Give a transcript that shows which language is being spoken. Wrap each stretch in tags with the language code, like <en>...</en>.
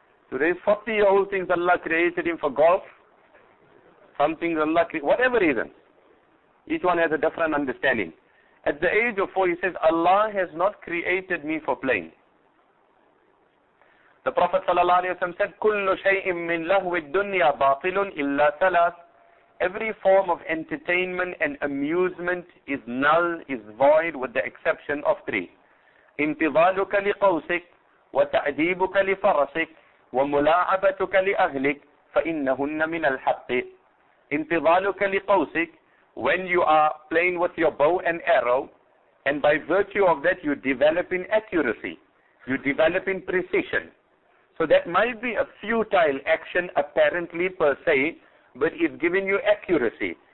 <en>Today's 40-year-old thinks Allah created him for golf. Some things Allah created, whatever reason. Each one has a different understanding. At the age of 4, he says, Allah has not created me for playing. The Prophet sallallahu alaihi wasallam said,</en> <ar>كل شيء من لهو الدنيا باطل إلا ثلاث.</ar> <en>Every form of entertainment and amusement is null, is void, with the exception of three.</en> <ar>انتظارك لقوسك وتعذيبك لفرسك وملاعبتك لأهلك فإنهن من الحق. انتظارك لقوسك,</ar> <en>when you are playing with your bow and arrow, and by virtue of that you develop in accuracy, you develop in precision. So that might be a futile action apparently per se, but it's giving you accuracy.</en>